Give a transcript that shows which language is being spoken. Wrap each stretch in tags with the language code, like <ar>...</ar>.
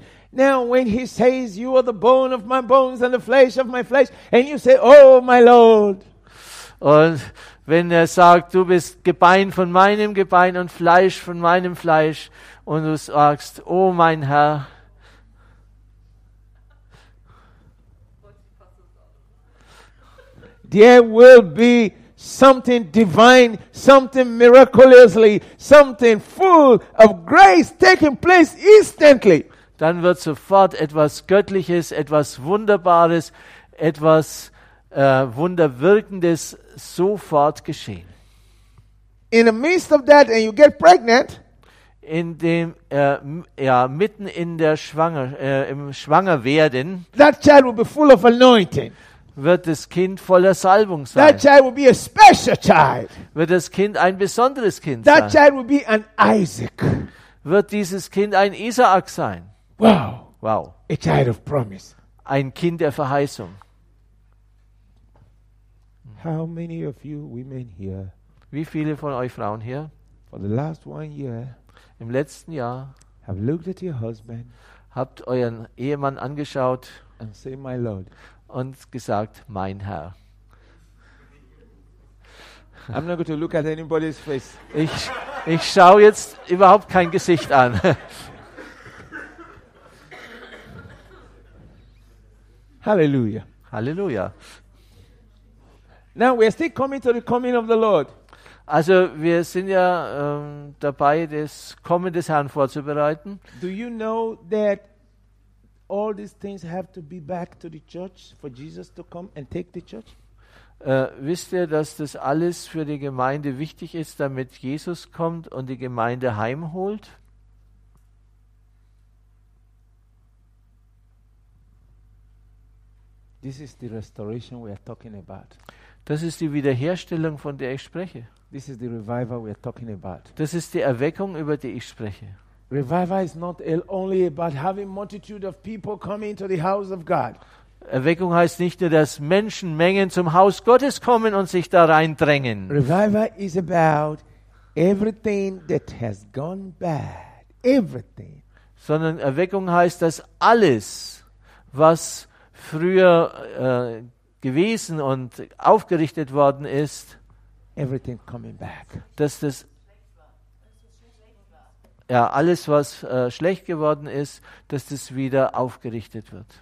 <en>Now when he says you are the bone of my bones and the flesh of my flesh and you say oh my lord.</en> <de>Und wenn er sagt du bist Gebein von meinem Gebein und Fleisch von meinem Fleisch und du sagst oh mein Herr.</de> <en>There will be something divine, something miraculously, something full of grace taking place instantly.</en> <de>Dann wird sofort etwas Göttliches, etwas Wunderbares, etwas Wunderwirkendes sofort geschehen.</de> <en>In the midst of that, and you get pregnant.</en> <de>In dem mitten in der im Schwangerwerden.</de> <en>That child will be full of anointing.</en> <de>Wird das Kind voller Salbung sein.</de> <en>That child will be a special child.</en> <de>Wird das Kind ein besonderes Kind</de> <en>that</en> <de>sein.</de> <en>That child will be an Isaac.</en> <de>Wird dieses Kind ein Isaak sein. Wow. Wow.</de> <en>A child of promise.</en> <de>Ein Kind der Verheißung.</de> <en>How many of you women here?</en> <de>Wie viele von euch Frauen hier?</de> <en>For the last one year.</en> <de>Im letzten Jahr.</de> <en>Have looked at your husband.</en> <de>Habt euren Ehemann angeschaut.</de> <en>And say my Lord.</en> <de>Und gesagt, mein Herr.</de> <en>I'm not going to look at anybody's face.</en> <de>Ich schaue jetzt überhaupt kein Gesicht an. Halleluja. Halleluja.</de> <en>Now we're still coming to the coming of the Lord.</en> <de>Also wir sind ja dabei, das Kommen des Herrn vorzubereiten.</de> <en>Do you know that all these things have to be back to the church for Jesus to come and take the church?</en> <de>Wisst ihr, dass das alles für die Gemeinde wichtig ist, damit Jesus kommt und die Gemeinde heimholt?</de> <en>This is the restoration we are talking about.</en> <de>Das ist die Wiederherstellung, von der ich spreche.</de> <en>This is the revival we are talking about.</en> <de>Das ist die Erweckung, über die ich spreche.</de> <en>Revival is not only about having multitude of people coming to the house of God.</en> <de>Erweckung heißt nicht nur, dass Menschenmengen zum Haus Gottes kommen und sich da reindrängen.</de> <en>Revival is about everything that has gone bad, everything.</en> <de>Sondern Erweckung heißt, dass alles, was früher gewesen und aufgerichtet worden ist,</de> <en>everything coming back.</en> <de>Dass das alles, was schlecht geworden ist, dass das wieder aufgerichtet wird.</de>